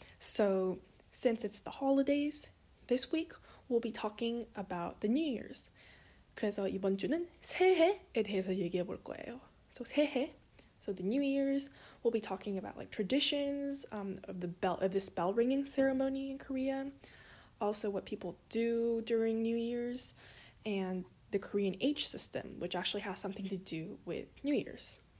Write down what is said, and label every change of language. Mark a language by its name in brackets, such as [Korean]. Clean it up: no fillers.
[English] So, since it's the holidays, this week we'll be talking about the New Year's. [Korean] 그래서 이번 주는 새해에 대해서 얘기해 볼 거예요. So, 새해. [English] So, the New Year's, we'll be talking about like traditions of this bell ringing ceremony in Korea. Also, what people do during New Year's and the Korean age system, which actually has something to do with New Year's.